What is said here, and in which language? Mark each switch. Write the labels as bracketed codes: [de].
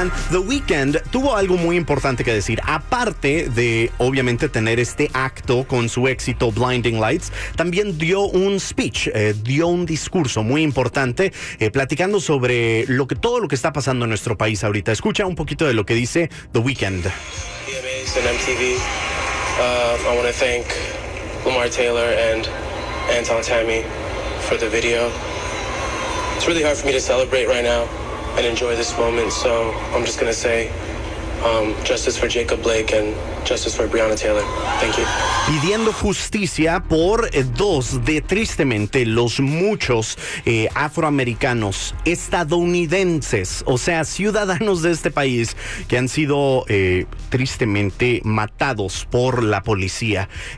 [es] The Weeknd tuvo algo muy importante que decir. Aparte de, obviamente, tener este acto con su éxito Blinding Lights, también dio un speech, dio un discurso muy importante, platicando sobre todo lo que está pasando en nuestro país ahorita. Escucha un poquito de lo que dice The Weeknd. [en] VMAs and MTV, I want to thank Lamar Taylor and Anton Tammy for the video. It's really hard for me to celebrate right now and enjoy this moment, so I'm just gonna say justice for Jacob Blake and justice for Breonna Taylor. Thank you. [es] Pidiendo justicia por dos de, tristemente, los muchos afroamericanos, estadounidenses, o sea, ciudadanos de este país, que han sido tristemente matados por la policía.